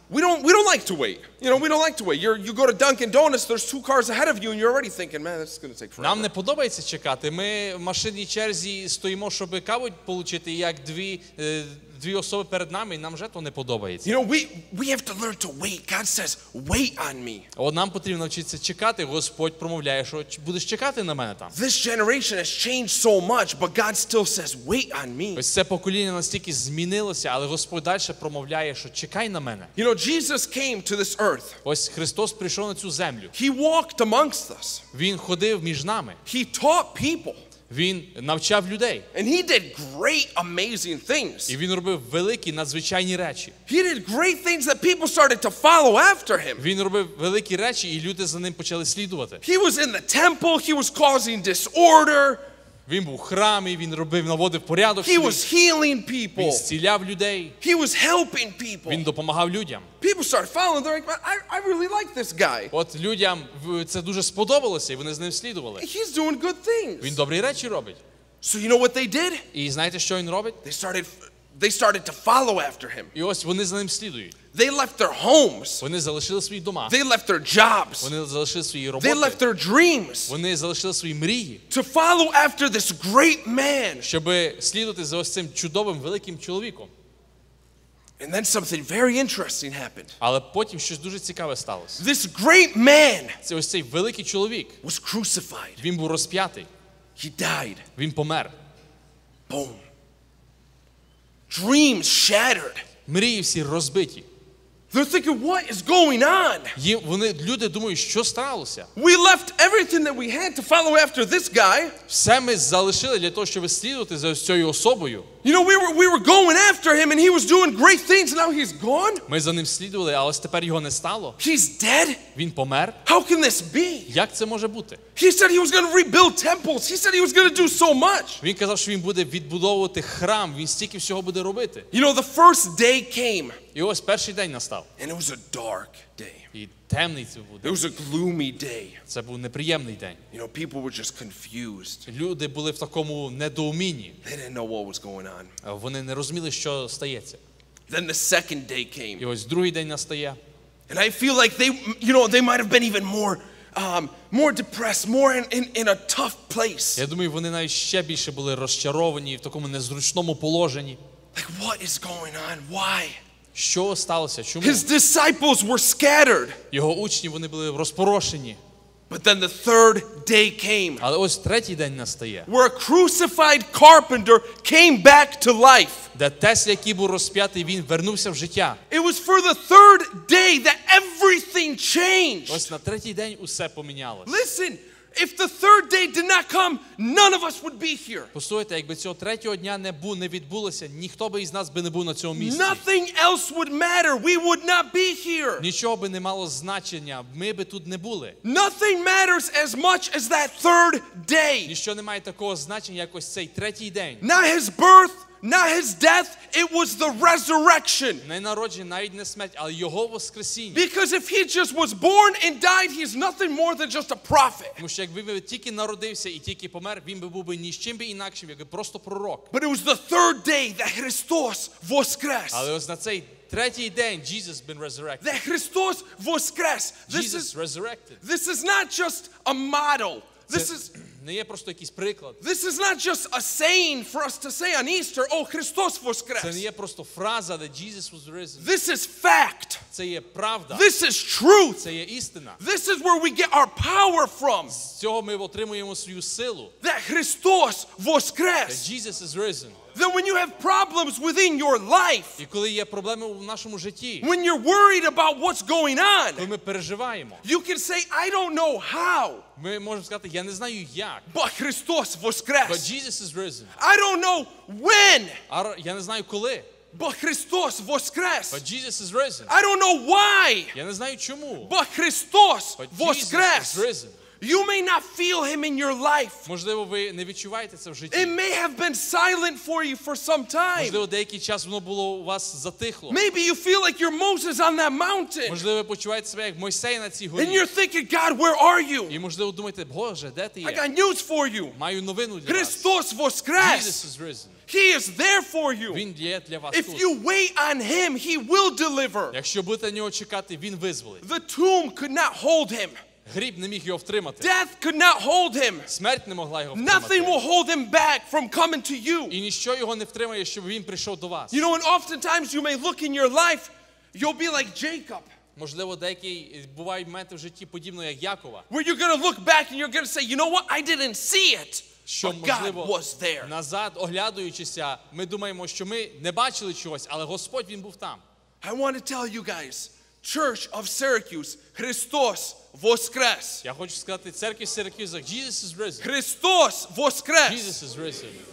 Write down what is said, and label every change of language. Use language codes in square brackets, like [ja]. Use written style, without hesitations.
[en] We don't like to wait. You know, we don't like to wait. You go to Dunkin' Donuts, there's 2 cars ahead of you and you're already thinking, man, this is going to take forever. [uk] Нам не подобається чекати. Ми в машинній черзі стоїмо, щоб каву отримати, як дві особи перед нами, і нам вже то не подобається. [en] You know, we have to learn to wait. God says, wait on me. [uk] От нам потрібно навчитися чекати. Господь промовляє, що будеш чекати на мене там. [en] This generation has changed so much, but God still says, wait on me. [uk] Ось це покоління настільки змінилося, але Господь далі промовляє, що чекай на мене. [en] You know, Jesus came to this earth. [uk] Ось Христос прийшов на цю землю. [en] He walked amongst us. [uk] Він ходив між нами. [en] He taught people. [uk] Він навчав людей. [en] And he did great, amazing things. [uk] І він робив великі, надзвичайні речі. [en] He did great things that people started to follow after him. [uk] Він робив великі речі, і люди за ним почали слідувати. [en] He was in the temple, he was causing disorder. [uk] Він був в храмі, він робив, наводив порядок. [en] He was healing people. [uk] Він зціляв людей. [en] He was helping people. [uk] Він допомагав людям. [en] People started following, they're like, I really like this guy. [uk] От людям це дуже сподобалося, і вони з ним слідували. [en] He's doing good things. [uk] Він добрі речі робить. [en] So you know what they did? [uk] І знаєте, що він робить? [en] They started to follow after him. [uk] І ось вони за ним слідують. [en] They left their homes. [uk] Вони залишили свої дома. [en] They left their jobs. [uk] Вони залишили свої роботи. [en] They left their dreams. [uk] Вони залишили свої мрії. [en] To follow after this great man. [uk] Щоб слідувати за ось цим чудовим великим чоловіком. [en] And then something very interesting happened. [uk] Але потім щось дуже цікаве сталося. [en] This great man. [uk] Це ось цей великий чоловік. [en] Was crucified. [uk] Він був розп'ятий. [en] He died. [uk] Він помер. [en] Boom. Dreams shattered. [uk] Мрії всі розбиті. [en] They're thinking, what is going on? [uk] Вони люди думають, що сталося? [en] We left everything that we had to follow after this guy. [uk] Все ми залишили для того, щоб слідувати за цією особою. [en] You know, we were going after him, and he was doing great things, and now he's gone? [uk] Ми за ним слідували, але тепер його не стало. [en] He's dead? [uk] Він помер. [en] How can this be? [uk] Як це може бути? [en] He said he was going to rebuild temples. He said he was going to do so much. [uk] Він казав, що він буде відбудовувати храм, він стільки всього буде робити. [en] You know, the first day came. [uk] І ось перший день настав. [en] And it was a dark day. [uk] І темний це був день. [en] It was a gloomy day. [uk] Це був неприємний день. [en] You know, people were just confused. [uk] Люди були в такому недоумінні. [en] They didn't know what was going on. [uk] Вони не розуміли, що стається. [en] Then the second day came. [uk] І ось другий день настає. [en] And I feel like they, you know, they might have been even more depressed, more in a tough place. [uk] Я думаю, вони навіть ще більше були розчаровані в такому незручному положенні. [en] Like, what is going on? Why? [uk] Що сталося? Чому? [en] His disciples were scattered. [uk] Його учні, вони були розпорошені. [en] But then the third day came. [uk] Але ось третій день настає. [en] Where a crucified carpenter came back to life. [uk] Де Тесля, який був розп'ятий, він вернувся в життя. [en] It was for the third day that everything changed. [uk] Ось на третій день усе помінялось. [en] Listen. If the third day did not come, none of us would be here. [uk] Послухайте, якби цього третього дня не відбулося, ніхто би із нас би не був на цьому місці. [en] Nothing else would matter. We would not be here. [uk] Нічого би не мало значення, ми би тут не були. [en] Nothing matters as much as that third day. [uk] Ніщо не має такого значення, як ось цей третій день. [en] Not his birth, not his death, it was the resurrection. [uk] Не народження, навіть не смерть, але його воскресіння. [en] Because if he just was born and died, he's nothing more than just a prophet. [uk] Тому що якби він тільки народився і тільки помер, він би був би нічим би інакшим, як просто пророк. [en] But it was the third day that [uk] Христос воскрес. Але ось на цей третій день [en] Jesus been resurrected. That [uk] Христос воскрес. [en] Jesus resurrected. This is not just a model. This is [uk] не є просто якийсь приклад. [en] This is not just a saying for us to say on Easter, oh, [uk] Христос воскрес. Це не є просто фраза, [en] that Jesus was risen. This is fact. [uk] Це є правда. [en] This is truth. [uk] Це є істина. [en] This is where we get our power from. [uk] З цього ми отримуємо свою силу. [en] That [uk] Христос воскрес. [en] That Jesus is risen. Then when you have problems within your life, [uk] і коли є проблеми в нашому житті, [en] when you're worried about what's going on, [uk] коли ми переживаємо, [en] you can say, I don't know how. [uk] Ми можемо сказати, я не знаю як. [en] But [uk] Христос воскрес. [en] But Jesus is risen. I don't know when. [uk] Я не знаю коли. [en] But [uk] Христос воскрес. [en] But Jesus is risen. I don't know why. [uk] Я не знаю чому. [en] But [uk] Христос воскрес. [en] But Jesus is risen. You may not feel him in your life. [uk] Можливо, ви не відчуваєте це в житті. [en] It may have been silent for you for some time. [uk] Можливо, деякий час воно було у вас затихло. [en] Maybe you feel like you're Moses on that mountain. [uk] Можливо, ви почуваєте себе як Мойсей на цій горі. [en] And you're thinking, God, where are you? [uk] І можливо, думаєте, Боже, де ти є? [en] I got news for you. [uk] Маю новину для вас. Христос воскрес. [en] Jesus is risen. He is there for you. [uk] Він є для вас тут. [en] If you wait on him, he will deliver. [uk] Якщо будете на нього чекати, він визволить. [en] The tomb could not hold him. [uk] Гріб не міг його втримати. [en] Death could not hold him. [uk] Смерть не могла його втримати. [en] Nothing will hold him back from coming to you. [uk] І ніщо його не втримає, щоб він прийшов до вас. [en] You know, and oftentimes you may look in your life, you'll be like Jacob. [uk] Можливо, деякий бувають моменти в житті подібно як Якова. [en] Where you're gonna look back and you're gonna say, you know what, I didn't see it. [uk] Що, можливо, [en] God was there. [uk] Назад оглядаючися, ми думаємо, що ми не бачили чогось, але Господь він був там. [en] I want to tell you guys, Church of Syracuse, [uk] Христос воскрес. Я хочу сказати церкві Сиракуза, [en] Jesus is risen. [uk] Христос воскрес. [en] Jesus is risen.